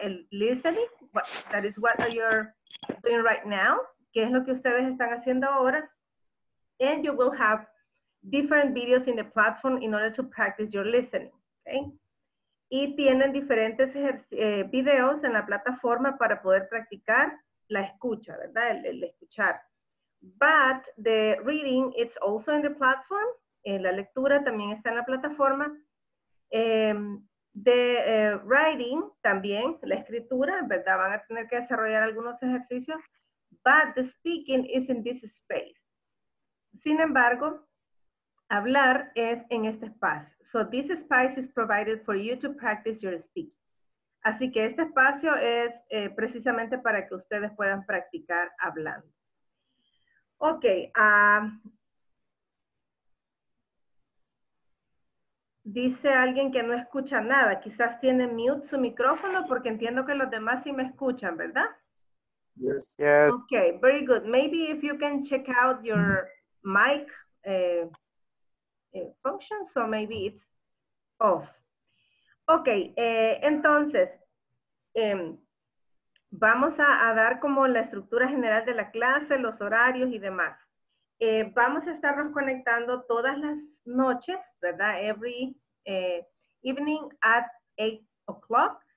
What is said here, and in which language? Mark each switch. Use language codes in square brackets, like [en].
[en] El listening, that is what you're doing right now, [es] que es lo que ustedes están haciendo ahora, [en] and you will have different videos in the platform in order to practice your listening, okay? [es] Y tienen diferentes videos en la plataforma para poder practicar la escucha, ¿verdad? El escuchar. [en] But the reading, it's also in the platform. [es] La lectura también está en la plataforma. [en] The writing [es] también, la escritura, ¿verdad? Van a tener que desarrollar algunos ejercicios. [en] But the speaking is in this space. [es] Sin embargo, hablar es en este espacio. [en] So this space is provided for you to practice your speaking. [es] Así que este espacio es precisamente para que ustedes puedan practicar hablando. Okay. Dice alguien que no escucha nada. Quizás tiene mute su micrófono porque entiendo que los demás sí me escuchan, ¿verdad? [en] Yes. Yes. Okay, very good. Maybe if you can check out your mic function, so maybe it's off. [es] Okay, entonces, vamos a dar como la estructura general de la clase, los horarios y demás. Vamos a estarnos conectando todas las noches, ¿verdad? [en] Every evening at 8 o'clock.